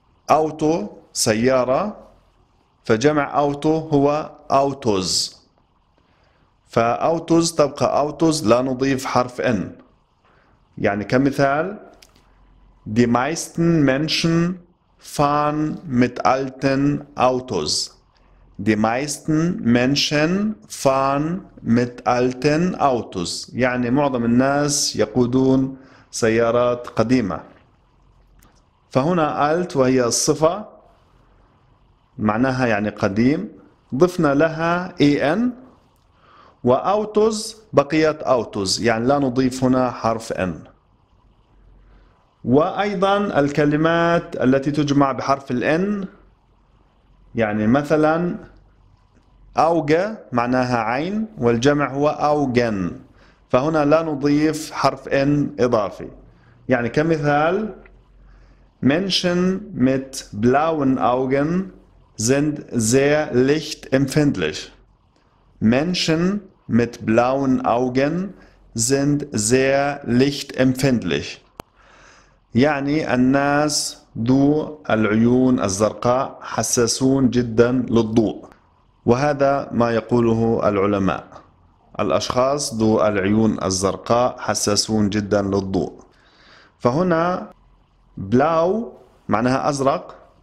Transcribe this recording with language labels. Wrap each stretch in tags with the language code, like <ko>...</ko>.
<ar>أوتو سيارة فجمع أوتو هو أوتوز فأوتوز تبقى أوتوز لا نضيف حرف إن يعني كمثال</ar> <de>دي مايستن منشن fahren mit alten Autos. Die meisten Menschen fahren mit alten Autos.</de> <ar>يعني معظم الناس يقودون سيارات قديمة. فهنا alt وهي الصفة معناها يعني قديم ضفنا لها en و autos بقيت autos يعني لا نضيف هنا حرف n. وأيضا الكلمات التي تجمع بحرف الإن يعني مثلا أوجه معناها عين والجمع هو أوجن فهنا لا نضيف حرف إن إضافي يعني كمثال</ar> <de>Menschen mit blauen Augen sind sehr lichtempfindlich.</de> <ar>Menschen mit blauen Augen sind sehr lichtempfindlich. يعني الناس ذو العيون الزرقاء حساسون جدا للضوء وهذا ما يقوله العلماء الأشخاص ذو العيون الزرقاء حساسون جدا للضوء فهنا blau معناها أزرق</ar>